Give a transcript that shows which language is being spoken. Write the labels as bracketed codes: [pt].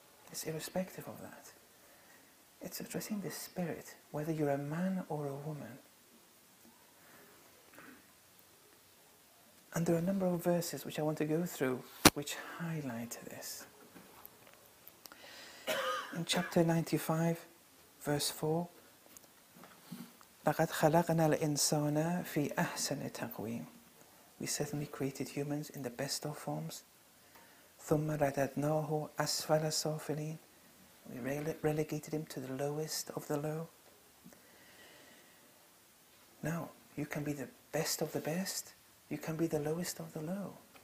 [en] It's irrespective of that. It's addressing the spirit, whether you're a man or a woman. And there are a number of verses which I want to go through which highlight this. In chapter 95, verse 4, [ar] لَقَدْ خَلَقْنَا الْإِنسَانَ فِي أَحْسَنِ تَقْوِيمٍ. [en] We certainly created humans in the best of forms. [ar] ثُمَّ رَدَدْنَاهُ أَسْفَلَ سَافِلِينَ. [en] We relegated him to the lowest of the low. Now, you can be the best of the best, you can be the lowest of the low.